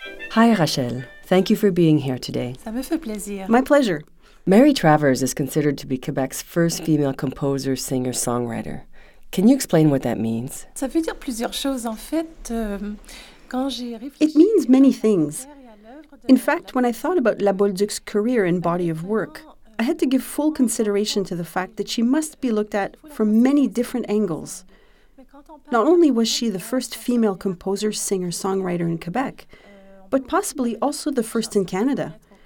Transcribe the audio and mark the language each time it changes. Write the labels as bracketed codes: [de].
[en] Hi, Rachel. Thank you for being here today. [fr] Ça me fait plaisir. [en] My pleasure. Mary Travers is considered to be Quebec's first female composer, singer, songwriter. Can you explain what that means? [fr] Ça veut dire plusieurs choses, en fait. Quand j'ai réfléchi, [en] it means many things. In fact, when I thought about La Bolduc's career and body of work, I had to give full consideration to the fact that she must be looked at from many different angles. Not only was she the first female composer, singer, songwriter in Quebec, but possibly also the first in Canada.